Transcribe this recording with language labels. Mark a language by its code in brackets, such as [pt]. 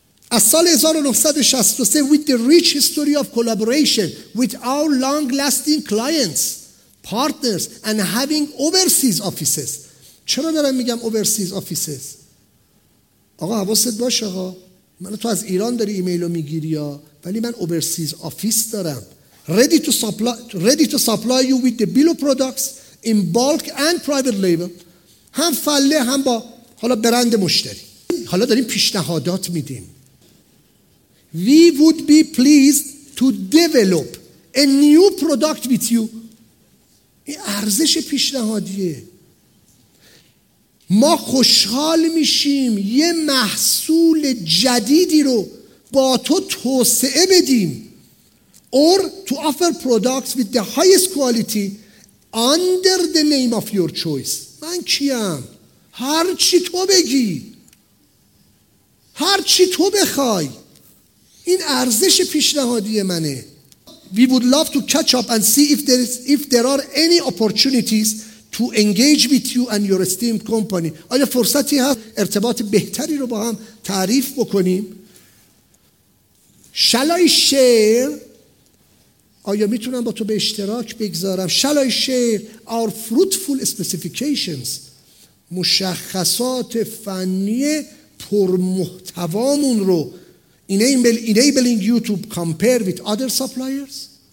[fa] از سال [en] 1963 with the rich history of collaboration with our long lasting clients partners and having overseas offices. [fa] چرا دارم میگم [en] overseas offices؟ [fa] آقا حواست باشه ها، من تو از ایران داری ایمیلو میگیری یا، ولی من اوورسیز آفیس دارم. [en] Ready to supply you with the bill of products in bulk and private label. [fa] هم فله هم با حالا برند مشتری. حالا داریم پیشنهادات میدیم. [en] We would be pleased to develop a new product with you. [fa] این ارزش پیشنهادیه. ما خوشحال میشیم یه محصول جدیدی رو با تو توسعه بدیم. [en] Or to offer products with the highest quality under the name of your choice. [fa] من کیم؟ هر چی تو بگی، هر چی تو بخوای. این ارزش پیشنهادی منه. [en] We would love to catch up and see if there are any opportunities to engage with you and your esteemed company. [fa] آیا فرصتی هست ارتباط بهتری رو با هم تعریف بکنیم؟ [en] Shall I share? [fa] آیا میتونم با تو به اشتراک بگذارم؟ [en] Shall I share our fruitful specifications? [fa] مشخصات فنی پرمحتوامون رو [en] enabling you to compare with other suppliers.